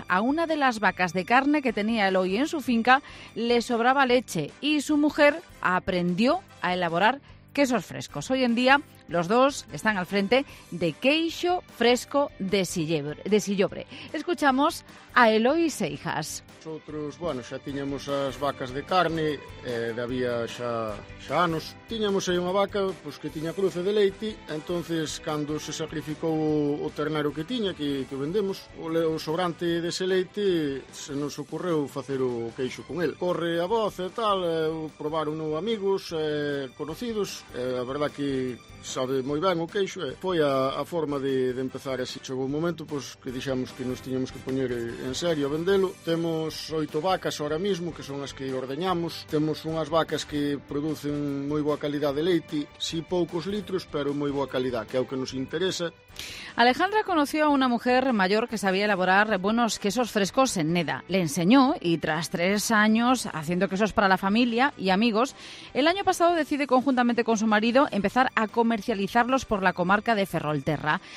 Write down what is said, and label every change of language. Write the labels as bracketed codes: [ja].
[es] A una de las vacas de carne que tenía Eloy en su finca le sobraba leche y su mujer aprendió a elaborar quesos frescos. Hoy en día los dos están al frente de Queixo Fresco de Sillobre. Escuchamos a Eloy Seijas. [gl] Nosotros, bueno, xa tiñamos as vacas de carne, había xa anos. Tiñamos aí unha vaca pues, que tiña cruce de leite, entonces cando se sacrificou o ternero que tiña, que vendemos, o sobrante dese leite, se nos ocorreu facer o queixo con ele. Corre a voz e tal, probaron amigos, conocidos, a verdad que sabe moi ben o queixo. Foi a forma de empezar así. Chegou o momento pues, que dixamos que nos tiñamos que poñer en serio a vendelo. Temos 8 vacas ahora mismo, que son as que ordeñamos. Temos unhas vacas que producen moi boa calidad de leite. Si poucos litros, pero moi boa calidad, que é o que nos interesa. [es] Alejandra conoció a una mujer mayor que sabía elaborar buenos quesos frescos en Neda. Le enseñó y tras 3 años haciendo quesos para la familia y amigos, el año pasado decide conjuntamente con su marido empezar a comercializarlos por la comarca de Ferrolterra.